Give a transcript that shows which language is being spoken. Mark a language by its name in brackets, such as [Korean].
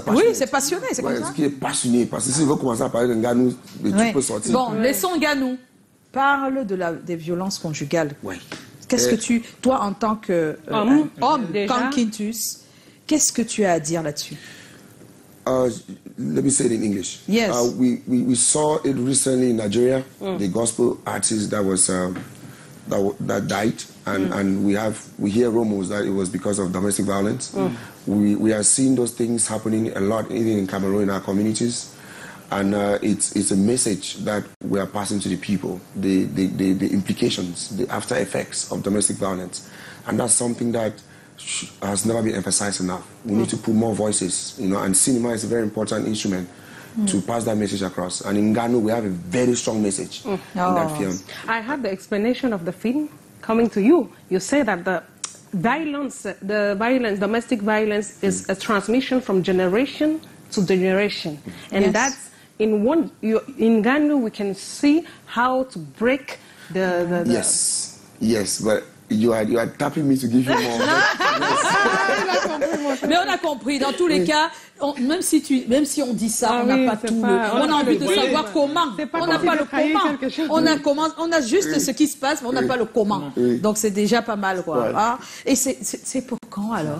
[French] Passionné. Oui, c'est passionné, c'est comme ça. Qui est passionné, parce que si vous commencez à parler de Ghanou, tu peux sortir. Bon, laissons Ghanou. Parle des violences conjugales. Oui. Qu'est-ce que tu, toi, en tant que homme Kankintus, qu'est-ce que tu as à dire là-dessus? [English] Let me say it in English. Yes. We saw it recently in Nigeria, the gospel artist that was. That died, and we hear rumors that it was because of domestic violence. We are seeing those things happening a lot, even in Cameroon, in our communities. And it's a message that we are passing to the people, the implications, the after effects of domestic violence. And that's something that has never been emphasized enough. We need to put more voices, you know, and cinema is a very important instrument to pass that message across. And in Ghanou, we have a very strong message in that film. I have the explanation of the film coming to you. You say that the domestic violence is a transmission from generation to generation. And that's in one, in Ghanou, we can see how to break the Yes, yes, but you are tapping me to give you more. [French] Mais on a compris, dans tous les cas, même si on dit ça, on n'a pas tout le... On a envie de savoir comment. On n'a pas le comment. On a juste ce qui se passe, mais on n'a pas le comment. Donc c'est déjà pas mal, quoi. Ouais. Ah. Et c'est pour quand, alors?